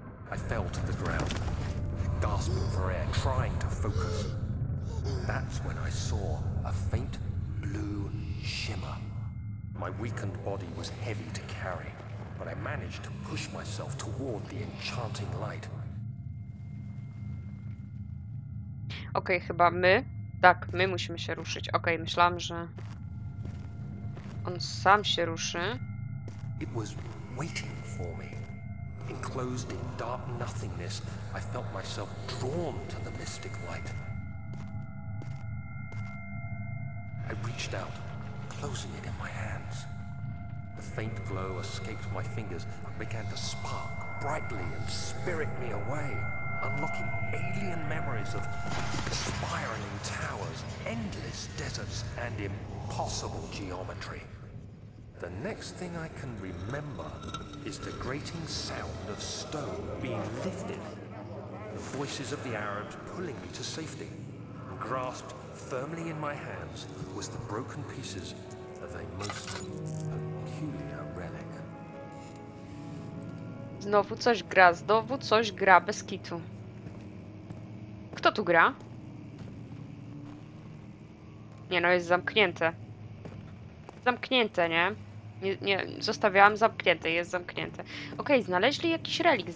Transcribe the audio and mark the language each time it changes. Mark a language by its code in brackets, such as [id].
[en] I fell to the ground, gasping for air, trying to focus. That's when I saw a faint blue shimmer. My weakened body was heavy to carry, but I managed to push myself toward the enchanting light. [pl] Okej, okay, chyba my. Tak, my musimy się ruszyć. Okej, okay, myślałam, że on sam się ruszy. [en] It was waiting for me. Enclosed in dark nothingness, I felt myself drawn to the mystic light. I reached out, closing it in my hands. The faint glow escaped my fingers and began to spark brightly and spirit me away, unlocking alien memories of spiraling towers, endless deserts, and impossible geometry. The next thing I can remember is the grating sound of stone being lifted, the voices of the Arabs pulling me to safety. And grasped firmly in my hands was the broken pieces of a most peculiar relic. [pl] Znowu coś gra, znowu coś gra bez kitu. Kto tu gra? Nie no, jest zamknięte. Zamknięte, nie? Nie, zostawiałam zamknięte, jest zamknięte. Okej, okay, znaleźli jakiś relikt.